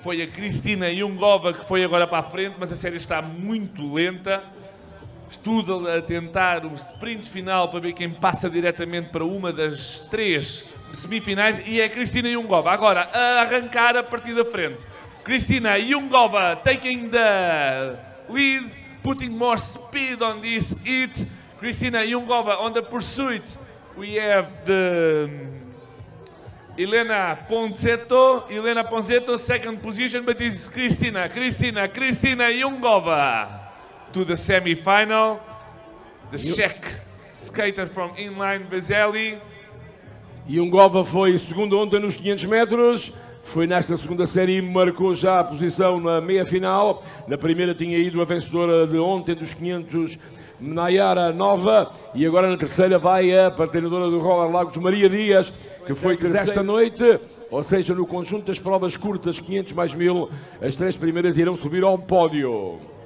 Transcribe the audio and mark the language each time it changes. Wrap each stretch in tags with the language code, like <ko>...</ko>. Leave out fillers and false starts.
<pt>Foi a Cristina Djungova que foi agora para a frente, mas a série está muito lenta. Estuda a tentar o sprint final para ver quem passa diretamente para uma das 3 semifinais e é Cristina Djungova agora a arrancar a partir da frente.</pt> <en>Cristina Djungova taking the lead, putting more speed on this hit. Cristina Djungova on the pursuit. We have the Elena Ponzetto, second position, but it's Cristina Djungova to the semi-final. The Czech skater from inline Vaseli.</en> <pt>Djungova foi segundo ontem nos 500 metros, foi nesta segunda série e marcou já a posição na meia-final. Na primeira tinha ido a vencedora de ontem dos 500, Nayara Nova, e agora na terceira vai a patinadora do Roller Lagos, Maria Dias, que foi esta noite, ou seja, no conjunto das provas curtas, 500 mais 1000, as 3 primeiras irão subir ao pódio.</pt>